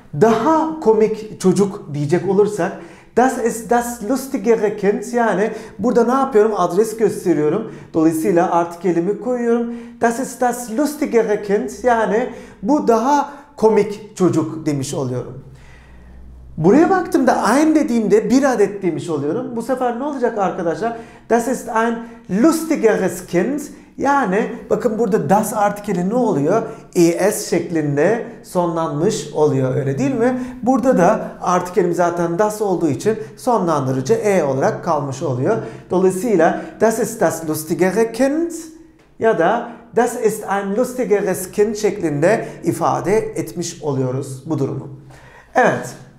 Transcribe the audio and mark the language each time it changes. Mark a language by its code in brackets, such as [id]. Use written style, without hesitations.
[tr] Daha komik çocuk diyecek olursak [de] das ist das lustigere Kind [tr] yani burada ne yapıyorum? Adres gösteriyorum. Dolayısıyla artikelimi koyuyorum. [de] Das ist das lustigere Kind [tr] yani bu daha komik çocuk demiş oluyorum. Buraya baktığımda ein dediğimde bir adet demiş oluyorum. Bu sefer ne olacak arkadaşlar? [de] Das ist ein lustigeres Kind. [tr] Yani bakın burada das artikeli ne oluyor? Es şeklinde sonlanmış oluyor öyle değil mi? Burada da artikelim zaten das olduğu için sonlandırıcı e olarak kalmış oluyor. Dolayısıyla [de] das ist das lustigere Kind ya da das ist ein lustigeres Kind [tr] şeklinde ifade etmiş oluyoruz bu durumu. Evet.